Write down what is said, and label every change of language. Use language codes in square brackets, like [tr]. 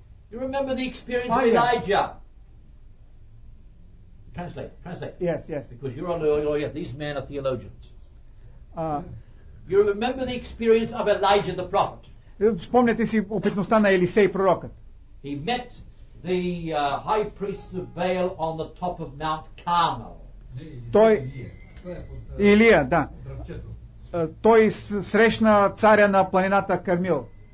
[en] You remember the experience of Elijah? Translate. Yes. Because you're on the lawyer. These men are theologians. You remember the experience of Elijah the prophet? [bg] Спомнете си опитността на Елисей пророкът. [en] He met the high priest of Baal on the top of Mount Carmel. [bg] Той Илия, да. Той срещна царя на планината Кармил.